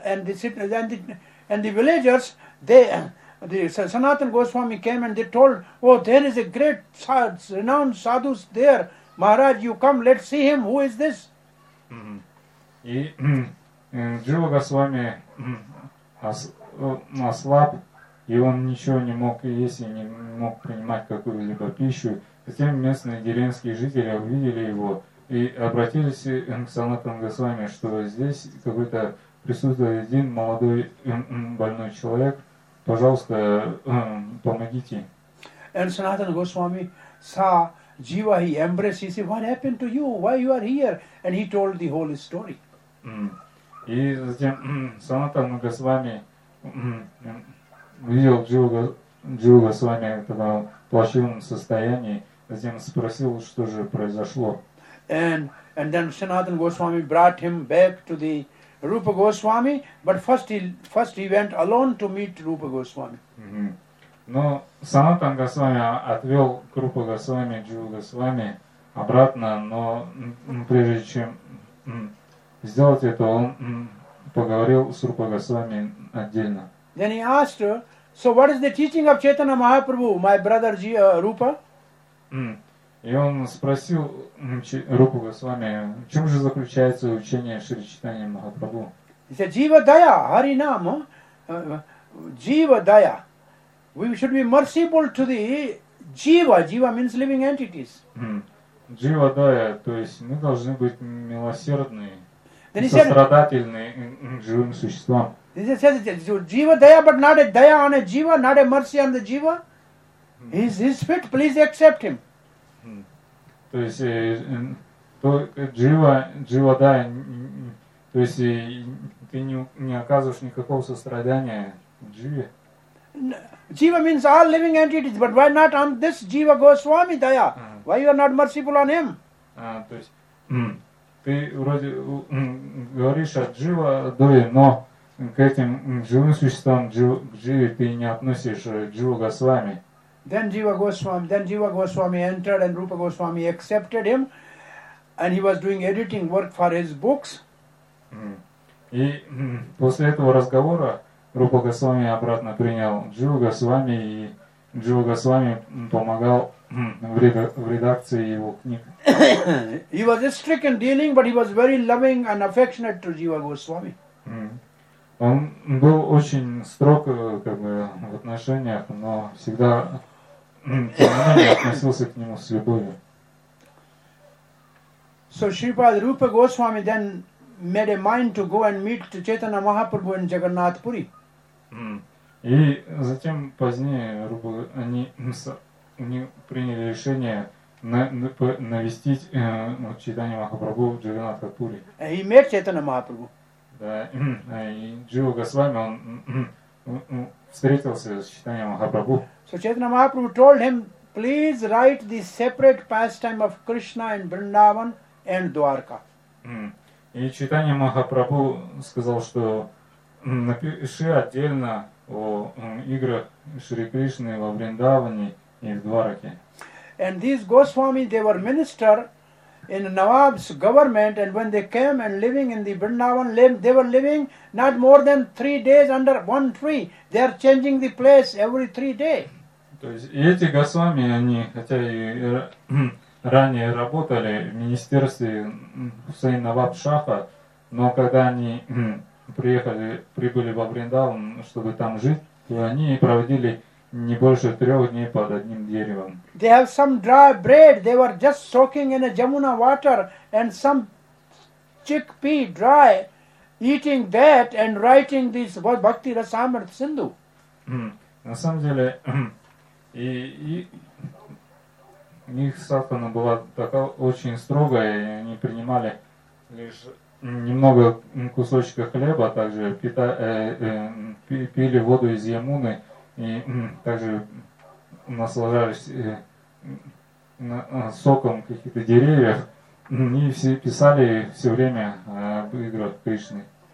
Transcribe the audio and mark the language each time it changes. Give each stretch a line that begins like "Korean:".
English: And the villagers, the Sanatana Goswami came and they told, oh, there is a great renowned sadhu there. Maharaj, you come, let's see him. Who is this?
Russian: И Jiva Goswami ослаб, и он ничего не мог есть и не мог принимать какую-либо пищу. Затем местные деревенские жители увидели его и обратились к Санатану Госвами, что здесь какой-то присутствует один молодой больной человек. Пожалуйста, помогите.
English: And Sanatana Goswami saw Jiva, he embraced, he said, what happened to you? Why you are here? And he told the whole story.
Russian: И затем Санатана Госвами видел Джива Госвами в таком плачевном состоянии, затем спросил, что же произошло.
English: And then Sanatana Goswami brought him back to the Rupa Goswami, but first he went alone to meet Rupa Goswami.
Russian: Но Санатана Госвами отвел к Рупа Госвами, Джива Госвами обратно, но прежде чем сделать это, он поговорил с Рупа Госвами отдельно.
English: Then he asked her, so what is the teaching of Chaitanya Mahaprabhu, my brother Rupa?
Russian: И он спросил Рупу Госвами, в чем же заключается учение Шри Чайтанья Махапрабху?
English: He said, Jiva Daya, Harinam, Jiva Daya. We should be merciful to the Jiva. Jiva means living entities.
Russian: Jiva Daya, то есть мы должны быть милосердны, сострадательны живым существам.
English: He said, Jiva Daya, but not a Daya on a Jiva, not a mercy on the Jiva. He's fit, please accept him.
Russian: То есть Джива Дая, то есть ты не оказываешь никакого сострадания Дживе.
English: Jiva means all living entities, but why not on this Jiva Goswami Daya? Why you are not merciful on him?
Russian: То есть ты вроде говоришь о Джива Дое, но к этим живым существам, к Дживе ты не относишь Джива Госвами.
English: Then Jiva Goswami entered and Rupa Goswami accepted him and he was doing editing work for his books.
Russian: И после этого разговора Рупа Госвами обратно принял Джива Госвами, и Джива Госвами помогал в редакции его книг.
English: He was strict in dealing, but he was very loving and affectionate to Jiva Goswami.
Russian: Он был очень строг как бы в отношениях, но всегда относился к нему с любовью.
English: So Shripada Rupa Goswami then made a mind to go and meet Chaitanya Mahaprabhu in Jagannath Puri.
Russian: И затем позднее Рупа, они приняли решение навестить Чайтанья Махапрабху в Джаганнатха Пури.
English: And he met Chaitanya Mahaprabhu.
Russian: Да, и Джива Госвами он встретился с Чайтанья Махапрабху.
English: So Chaitanya Mahaprabhu told him, please write the separate pastime of Krishna in Vrindavan and Dwarka.
Russian: И Чайтанья Махапрабху сказал, что напиши отдельно о играх Шри Кришны во Вриндаване и в Двараке.
English: And these Goswami, they were minister in Nawab's government, and when they came and living in the Vrindavan, they were living not more than 3 days under one tree. They are changing the place every 3 days.
Russian: То есть эти Госвами, они хотя и ранее работали в министерстве Хусейн Наваб Шаха, но когда они прибыли во Вриндаван, чтобы там жить, то они проводили не больше 3 дней под одним деревом.
English: They have some dry bread, they were just soaking in a Jamuna water and some chickpea dry, eating that and writing this Bhakti Rasamrita Sindhu.
Russian: На самом деле, и у них сатхана была такая очень строгая, и они принимали лишь немного кусочка хлеба, также пили воду из Ямуны и также наслаждались соком каких-то деревьев, и все писали все время об играх Кришны.